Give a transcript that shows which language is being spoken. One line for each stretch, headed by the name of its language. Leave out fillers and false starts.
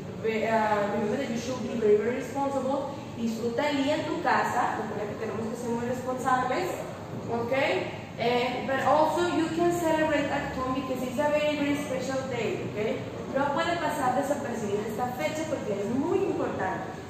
English: Remember that you should be very, very responsible.
Spanish: Disfruta el día en tu casa, porque tenemos que ser muy responsables, okay?
English: But also, you can celebrate at home because it's a very, very special day, okay?
Spanish: No puede pasar desapercibida esta fecha porque es muy importante.